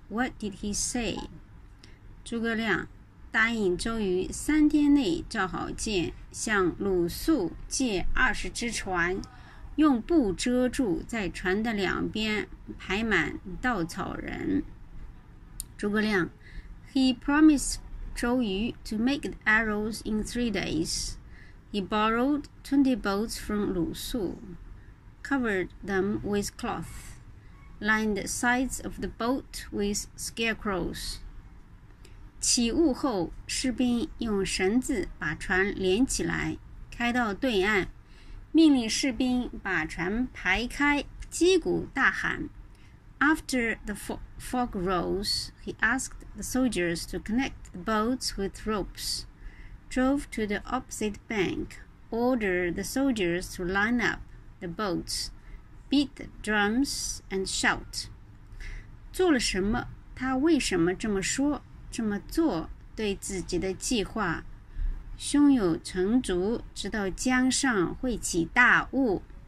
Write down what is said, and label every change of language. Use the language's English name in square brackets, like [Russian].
[English] What did he say? 诸葛亮。 [Chinese] 答应周瑜3天内造好舰，向鲁肃借20只船，用布遮住，在船的两边排满稻草人。 [English] 诸葛亮，He promised 周瑜 to make the arrows in 3 days. He borrowed 20 boats from 鲁肃，covered them with cloth, lined the sides of the boat with scarecrows. [Chinese] 起雾后，士兵用绳子把船连起来，开到对岸，命令士兵把船排开，击鼓大喊。 [English] After the fog rose, he asked the soldiers to connect the boats with ropes, drove to the opposite bank, ordered the soldiers to line up the boats, beat the drums and shout. [Chinese] 做了什么？他为什么这么说？这么做对自己的计划胸有成竹，直到江上会起大雾。